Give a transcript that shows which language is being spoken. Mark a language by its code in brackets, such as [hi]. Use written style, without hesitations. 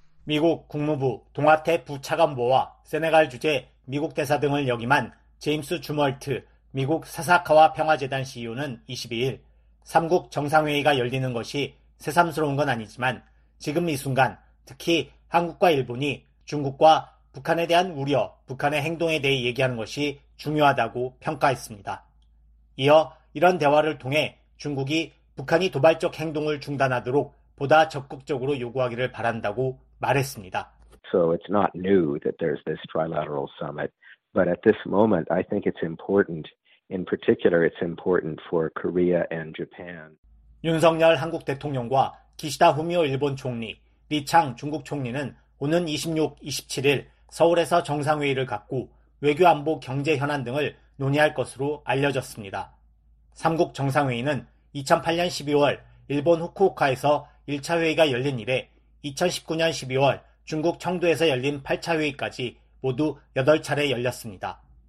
[ko] 미국 국무부 동아태 부차관보와 세네갈 주재 미국 대사 등을 역임한 제임스 주멀트 미국 사사카와 평화재단 CEO는 22일 3국 정상회의가 열리는 것이 새삼스러운 건 아니지만 지금 이 순간 특히 한국과 일본이 중국과 북한에 대한 우려, 북한의 행동에 대해 얘기하는 것이 중요하다고 평가했습니다. 이어 이런 대화를 통해 중국이 북한이 도발적 행동을 중단하도록 보다 적극적으로 요구하기를 바란다고 말했습니다. [en] So it's not new that there's this trilateral summit, but at this moment I think it's important. In particular, it's important for Korea and Japan. [ko] 윤석열 한국 대통령과 기시다 후미오 일본 총리, 리창 중국 총리는 오는 26, 27일 서울에서 정상회의를 갖고 외교 안보 경제 현안 등을 논의할 것으로 알려졌습니다. 3국 정상회의는 2008년 12월 일본 후쿠오카에서 1차 회의가 열린 이래 2019년 12월 중국 청두에서 열린 8차 회의까지 모두 8차례 열렸습니다.